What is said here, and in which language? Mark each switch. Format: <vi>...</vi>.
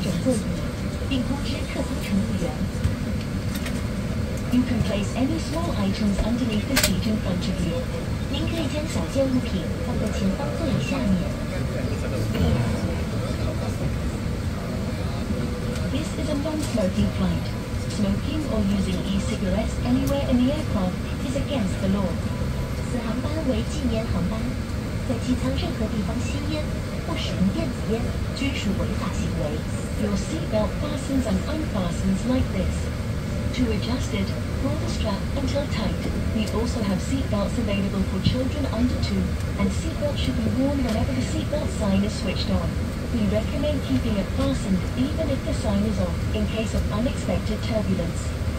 <zh>请将个人电子用品关闭或设置到飞行模式。除了无线上网及蓝牙功能外，机舱内禁止使用无线电传送设备。如有任何电子产品卡在座椅内，请不要擅自调整座椅，并通知客舱乘务员。</zh> <en>You can place any small items underneath the seat in front of you.</en> <zh>您可以将小件物品放在前方座椅下面。</zh> <en>This is a non-smoking flight. Smoking or using e-cigarettes anywhere in the aircraft is against the law.</en> <zh>此航班为禁烟航班，在机舱任何地方吸烟或使用电子烟均属违法行为。</zh> <en>Your seatbelt fastens and unfastens like this. To adjust it, pull the strap until tight. We also have seat belts available for children under 2, and seat belts should be worn whenever the seat belt sign is switched on. We recommend keeping it fastened even if the sign is off, in case of unexpected turbulence.</en>